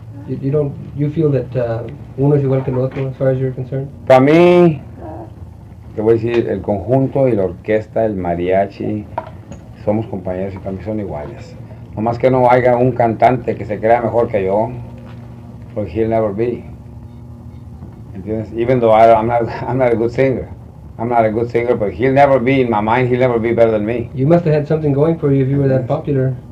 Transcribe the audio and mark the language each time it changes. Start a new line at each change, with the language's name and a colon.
English: You feel that
Spanish: uno es igual que el otro,
English: as far as you're concerned?
Spanish: Para mí, te voy a decir, el conjunto y la orquesta, el mariachi, somos compañeros y para mí son iguales. Nomás que no haya un cantante que se crea mejor que yo, porque
English: he'll never be. ¿Entiendes? Even though I'm not a good singer. I'm not a good singer, but he'll never be, in my mind, he'll never be better than me. You must have had something going for you if you were that popular.